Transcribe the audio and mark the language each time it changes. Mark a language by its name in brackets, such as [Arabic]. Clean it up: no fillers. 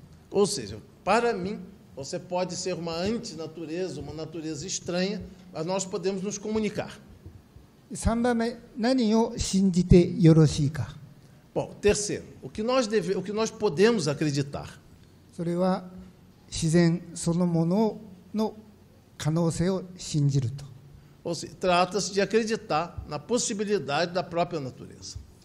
[Portuguese] Ou seja, para mim, você pode ser uma antinatureza, uma natureza estranha, mas nós podemos nos comunicar. [Japanese] 3番目、何を信じてよろしいか? [Portuguese] Bom, terceiro, o que nós podemos acreditar? [Japanese] それは自然そのものの可能性を信じると。 [Portuguese] Ou seja, trata-se de acreditar na possibilidade da própria natureza.